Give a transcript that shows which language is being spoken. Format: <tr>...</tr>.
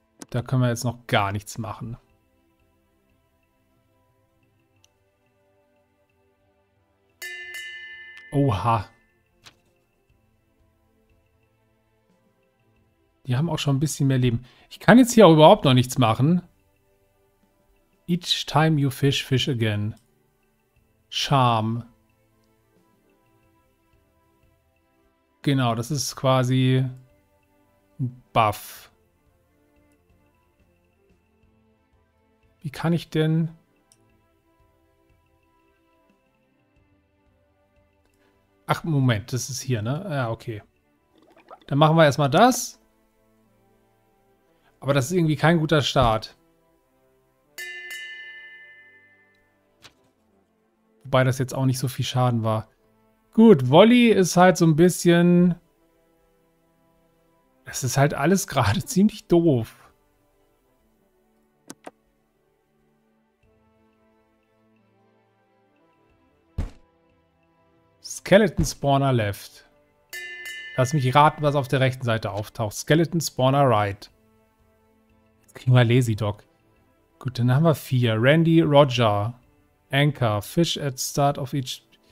<de>Da können wir jetzt noch gar nichts machen. Oha. Die haben auch schon ein bisschen mehr Leben. Ich kann jetzt hier auch überhaupt noch nichts machen.</de> <en>Each time you fish, fish again. Charm.</en> <de>Genau, das ist quasi ein Buff. Wie kann ich denn... Ach, Moment, das ist hier, ne? Ja, okay. Dann machen wir erstmal das. Aber das ist irgendwie kein guter Start. Wobei das jetzt auch nicht so viel Schaden war. Gut, Volley ist halt so ein bisschen... Das ist halt alles gerade ziemlich doof. Skeleton Spawner Left. Lass mich raten, was auf der rechten Seite auftaucht. Skeleton Spawner Right. Jetzt kriegen wir Lazy Dog. Gut, dann haben wir 4.</de> <en>Randy, Roger, Anchor, Fish at Start of Each.</en>